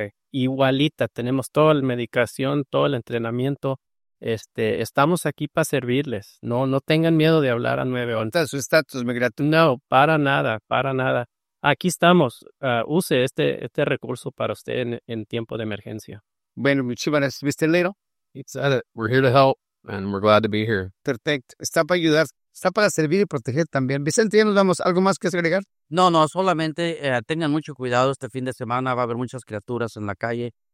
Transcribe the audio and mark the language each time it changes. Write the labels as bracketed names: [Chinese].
[Spanish] Igualita, tenemos toda la medicación, todo el entrenamiento. Estamos aquí para servirles. No tengan miedo de hablar a 911. ¿Está su estatus migratorio? No, para nada. Aquí estamos. Use este recurso para usted en tiempo de emergencia. Bueno, muchísimas gracias, Mr. Lero. [English] We're here to help and we're glad to be here. [Spanish] Perfecto. Está para ayudar. Está para servir y proteger también. Vicente, ya nos vamos. ¿Algo más que agregar? No, solamente tengan mucho cuidado este fin de semana. Va a haber muchas criaturas en la calle.